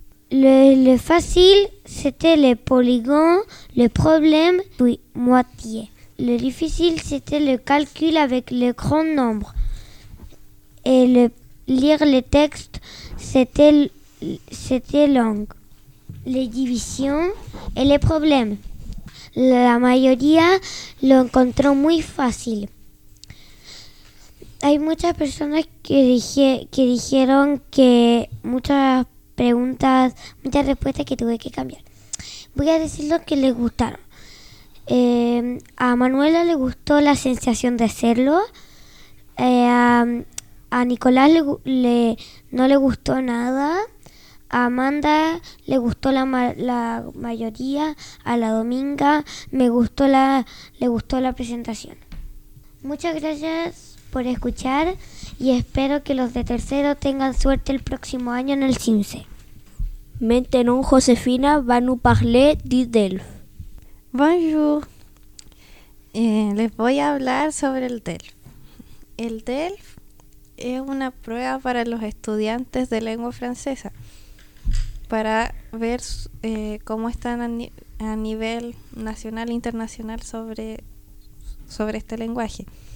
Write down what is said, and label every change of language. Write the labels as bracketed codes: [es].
[fr] Le fácil, c'était le polygon, le problème, oui, moitié. Le difficile, c'était le calcul avec le grand nombre. Et le lire les textes, c'était long. Les divisions et les problèmes. [es] La mayoría lo encontró muy fácil. Hay muchas personas que dijeron que muchas respuestas que tuve que cambiar. Voy a decir lo que les gustaron. A Manuela le gustó la sensación de hacerlo. A Nicolás no le gustó nada. A Amanda le gustó la mayoría. A la Dominga le gustó la presentación. Muchas gracias por escuchar y espero que los de tercero tengan suerte el próximo año en el CIMSE. [fr] Maintenant, Josefina va nous parler du DELF. Bonjour. [es] Les voy a hablar sobre el DELF. El DELF es una prueba para los estudiantes de lengua francesa para ver cómo están a nivel nacional e internacional sobre este lenguaje.